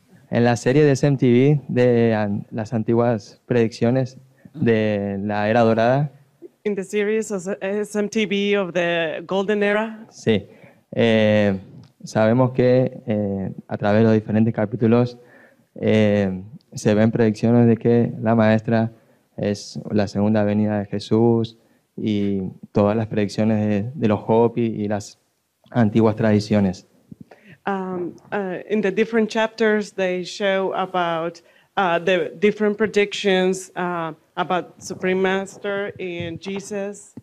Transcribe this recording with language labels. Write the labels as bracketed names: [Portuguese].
[Spanish] En la serie de SMTV, de las antiguas predicciones de la era dorada. [English] In the series of SMTV of the golden era. [Spanish] Sí. Sabemos que a través de los diferentes capítulos se ven predicciones de que la maestra es la segunda venida de Jesús y todas las predicciones de los Hopi y las antiguas tradiciones. [English] In the different chapters, they show about the different predictions about Supreme Master and Jesus.